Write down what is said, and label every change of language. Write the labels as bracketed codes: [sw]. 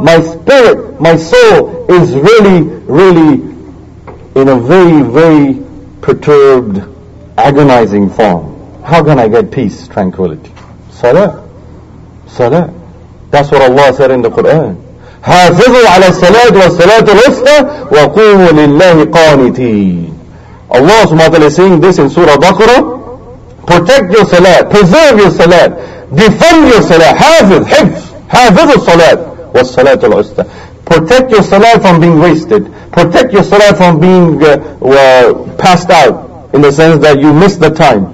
[en] My spirit, my soul is really, really in a very, very perturbed, agonizing form. How can I get peace, tranquility? Salah. Salah. That's what Allah said in the Quran. [ar] حافظوا على الصلاة والصلاة الوسطى وقوموا لله قانتين. [en] Allah subhanahu wa ta'ala is saying this in Surah Baqarah. Protect your salat, preserve your salat, defend your salat, [ar] حافظ الصلاة والصلاة الوسطى. [en] Protect your salat from being wasted. Protect your salat from being passed out, in the sense that you miss the time.